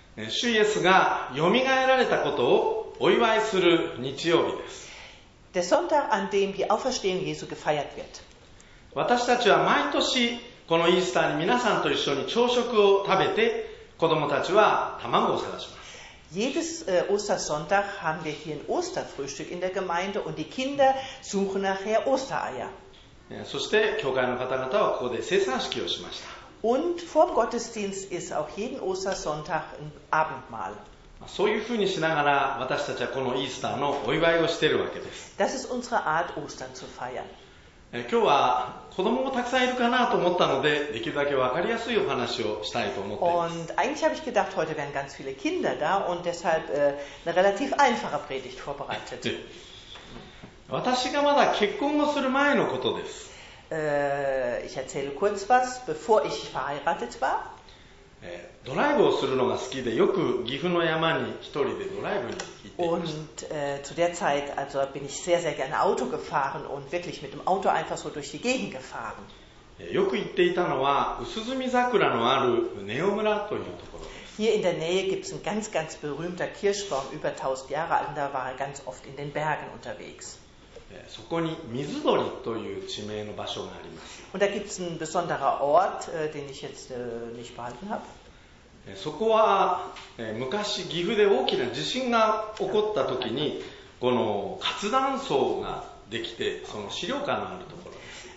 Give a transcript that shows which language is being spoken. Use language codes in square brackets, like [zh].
[ja] 主イエスが蘇られたことをお祝いする日曜日です。 [de] Der Sonntag, an dem die Auferstehung Jesu gefeiert wird. [ja] 私たちは毎年このイースターに皆さんと一緒に朝食を食べて、子供たちは卵を探します。 [de] Jedes Ostersonntag haben wir hier ein Osterfrühstück in der Gemeinde und die Kinder suchen nachher Ostereier. [ja] そして教会の方々はここで生産式をしました。 [de] Und vor dem Gottesdienst ist auch jeden Ostersonntag ein Abendmahl. [ja] そういうふうにしながら私たちはこのイースターのお祝いをしているわけです。 [de] Das ist unsere Art, Ostern zu feiern. [ja] 今日は子供もたくさんいるかなと思ったので、できるだけ分かりやすいお話をしたいと思っています。 [de] Und eigentlich habe ich gedacht, heute wären ganz viele Kinder da und deshalb eine relativ einfache Predigt vorbereitet. [ja] 私がまだ結婚をする前のことです。 [de] Ich erzähle kurz was, bevor ich verheiratet war. [ja] ドライブをするのが好きで、よく岐阜の山に一人でドライブに行っていました。 [de] Und zu der Zeit, also bin ich sehr, sehr gerne Auto gefahren und wirklich mit dem Auto einfach so durch die Gegend gefahren. [ja] よく行っていたのは、薄墨桜のある根尾村というところです。 [de] Hier in der Nähe gibt es ein ganz, ganz berühmter Kirschbaum, über 1000 Jahre alt, da war er ganz oft in den Bergen unterwegs. [ja] そこに水鳥という地名の場所があります。 [de] Und da gibt es ein besonderer Ort, den ich jetzt nicht behalten habe. [ja] そこは昔岐阜で大きな地震が起こった時にこの活断層ができてその資料館のあるところです。